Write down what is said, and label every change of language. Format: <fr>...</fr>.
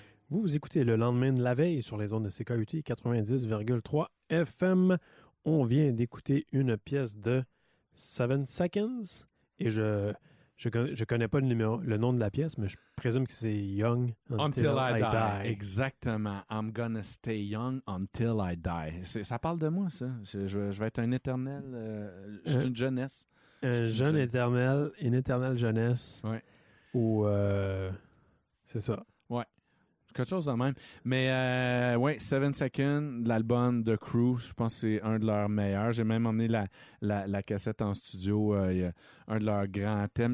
<fr>Vous vous écoutez le lendemain de la veille sur les ondes de CKUT 90,3 FM. On vient d'écouter une pièce de 7 Seconds. Et je connais pas le nom de la pièce, mais je présume que c'est Young</fr> <en>Until I Die.</en> <fr>Exactement.</fr> <en>I'm gonna stay young until I die.</en> <fr>Ça parle de moi, ça. Je vais être un éternel. Je suis une jeunesse. Une éternelle jeunesse. Oui. Ou. C'est ça. Oui. Quelque chose de même. Mais, ouais, 7 Seconds, l'album de Crew, je pense que c'est un de leurs meilleurs. J'ai même emmené la cassette en studio. Y a un de leurs grands thèmes.</fr>